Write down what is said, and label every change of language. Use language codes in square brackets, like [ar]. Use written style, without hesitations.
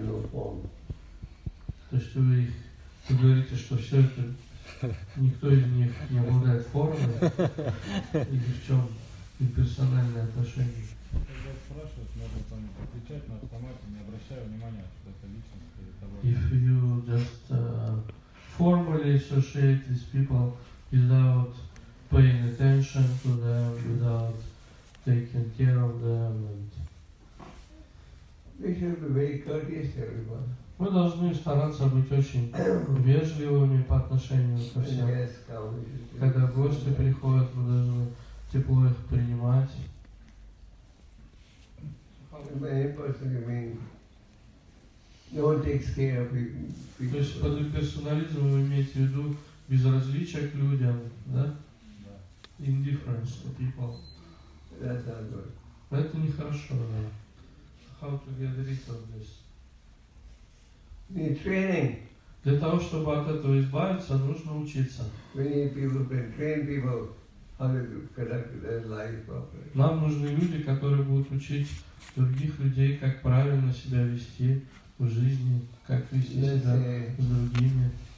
[ru] То есть вы говорите, что все это, никто из них не обладает формой, и в чем персональное отношение? Когда спрашивают, можно там отвечать на автомате, не обращая внимания, что это личность или того. [en] If you just formally associate these people without paying attention to them, without taking care of them. And we should be very courteous to everyone. [ru] Мы должны стараться быть очень вежливыми по отношению ко всем. Когда гости приходят, мы должны тепло их принимать. То есть под персонализмом вы имеете в виду безразличие к людям, да? [en] Indifference to people. That's not good. [ru] Это нехорошо, да. [en] How to get rid of this? Need training. [ru] Для того, чтобы от этого избавиться, нужно учиться. [en] We need people to train people how to conduct their life properly. [ru] Нам нужны люди, которые будут учить других людей, как правильно себя вести в жизни, как вести себя с другими.